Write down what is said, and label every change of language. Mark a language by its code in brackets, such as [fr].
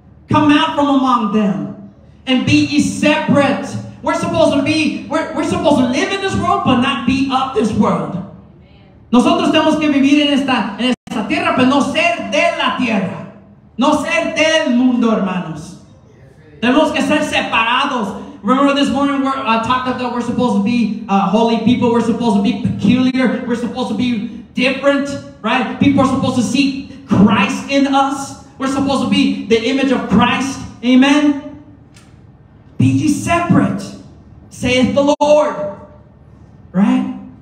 [en] Come out from among them and be ye separate. We're supposed to live in this world, but not be of this world. [es] Nosotros tenemos que vivir en esta tierra, pero no ser de la tierra. No ser del mundo, hermanos. Tenemos que ser separados. [en] Remember this morning we talked about that we're supposed to be holy people. We're supposed to be peculiar. We're supposed to be different, right? People are supposed to see Christ in us. We're supposed to be the image of Christ. Amen? Be ye separate, saith the Lord. Right?